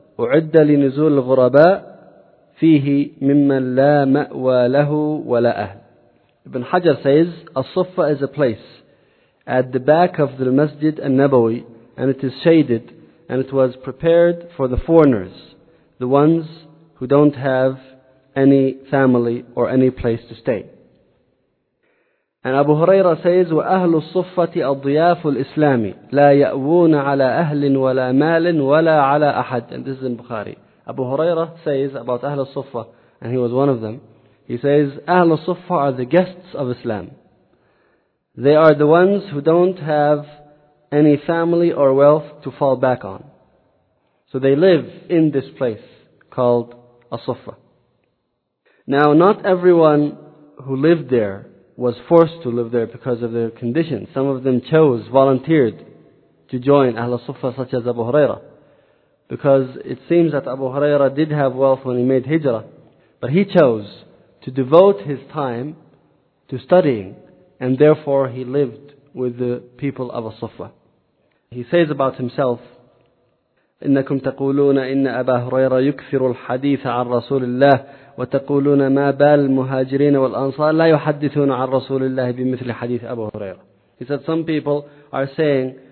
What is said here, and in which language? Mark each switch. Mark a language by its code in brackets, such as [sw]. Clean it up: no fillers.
[ar] أعد لنزول الغرباء فيه ممن لا مأوى له ولا أهل. [en] Ibn Hajar says, As-Suffa is a place at the back of the Masjid al-Nabawi, and it is shaded, and it was prepared for the foreigners, the ones who don't have any family or any place to stay. [ar] And Abu Huraira says, وَأَهْلُ الصُّفَّةِ أَضْيَافُ الْإِسْلَامِ لَا يَأْوُونَ عَلَىٰ أَهْلٍ وَلَىٰ مَالٍ وَلَىٰ عَلَىٰ أَحَدٍ. [en] And this is in Bukhari. Abu Huraira says about Ahl al-Suffa, and he was one of them. He says, Ahl al-Suffa are the guests of Islam. They are the ones who don't have any family or wealth to fall back on. So they live in this place called As-Suffa. Now, not everyone who lived there was forced to live there because of their condition. Some of them chose, volunteered to join Ahl al-Suffa, such as Abu Huraira. Because it seems that Abu Huraira did have wealth when he made Hijrah, but he chose to devote his time to studying, and therefore he lived with the people of al-Suffa. [ar] He says about himself, إِنَّكُمْ تَقُولُونَ إِنَّ أَبَا هُرَيْرَ يُكْثِرُ الْحَدِيثَ عَنْ رَسُولِ اللَّهِ وَتَقُولُونَ مَا بَالُ الْمُهَاجِرِينَ وَالْأَنصَارِ لَا يُحَدِّثُونَ عَنْ رَسُولِ اللَّهِ بِمِثْلِ حَدِيثِ أَبُو هُرَيْرَةَ. [en] He said, some people are saying